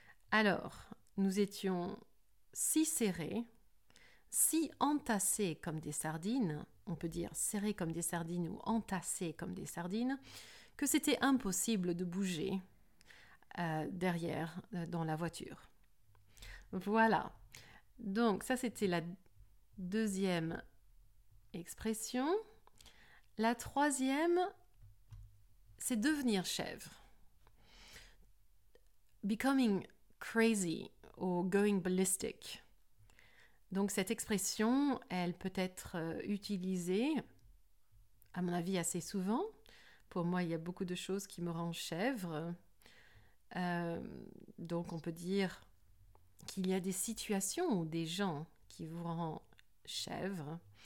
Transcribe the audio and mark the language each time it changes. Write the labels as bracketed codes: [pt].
[fr] Alors, nous étions si serrés, si entassés comme des sardines, on peut dire serrés comme des sardines ou entassés comme des sardines, que c'était impossible de bouger derrière dans la voiture. Voilà. Donc, ça c'était la deuxième expression. La troisième, c'est devenir chèvre. [en] Becoming crazy or going ballistic. [fr] Donc cette expression, elle peut être utilisée, à mon avis, assez souvent. Pour moi, il y a beaucoup de choses qui me rendent chèvre. Donc on peut dire qu'il y a des situations ou des gens qui vous rendent chèvre.